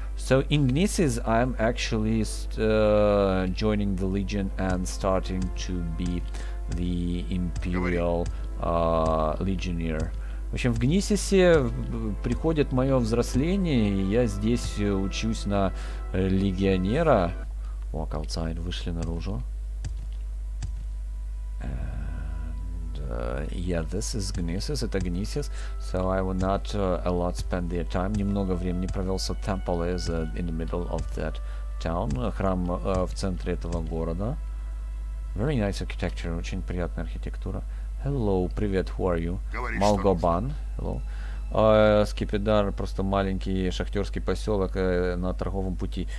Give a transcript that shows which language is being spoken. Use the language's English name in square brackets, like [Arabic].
[English] So in Gnisis I'm actually joining the Legion and starting to be the Imperial Legionnaire. [Russian] В общем, в Гнисисе приходит мое взросление, и я здесь учусь на легионера. [English] Walk outside, [Russian] вышли наружу. [English] And, yeah, this is Gnisis, [Russian] это Гнисис. [English] So I will not a lot spend their time. [Russian] Немного времени провел, [English] so temple is in the middle of that town. [Russian] Храм в центре этого города. [English] Very nice architecture, [Russian] очень приятная архитектура. [English] Hello, [Russian] привет, [English] who are you? [Russian] Говори, [English] Малгобан, hello. [Russian] Скипидар, просто маленький шахтерский поселок на торговом пути.